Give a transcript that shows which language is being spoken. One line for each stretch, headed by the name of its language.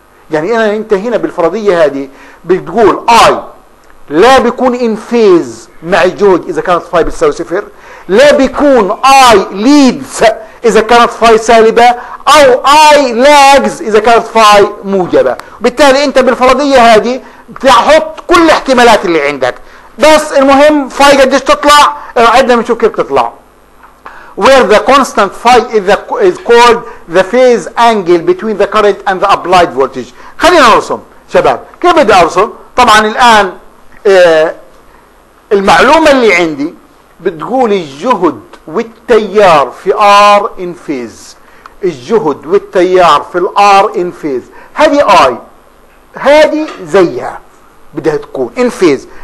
Arabic: يعني انا انت هنا بالفرضيه هذه بتقول اي لا بيكون ان فيز مع الجهد اذا كانت فاي بتساوي صفر، لا بيكون اي ليدز اذا كانت فاي سالبه، او اي لاجز اذا كانت فاي موجبه. بالتالي انت بالفرضيه هذه بتحط كل الاحتمالات اللي عندك، بس المهم فاي قديش تطلع عندنا بنشوف كيف تطلع.
English: Where the constant phi is called the phase angle between the current and the applied voltage.
Arabic: خلينا نرسم شباب، كيف بدي ارسم؟ طبعا الان المعلومه اللي عندي بتقول الجهد والتيار في R in phase، الجهد والتيار في ال R in phase، هذه I هذه زيها بدها تكون in phase.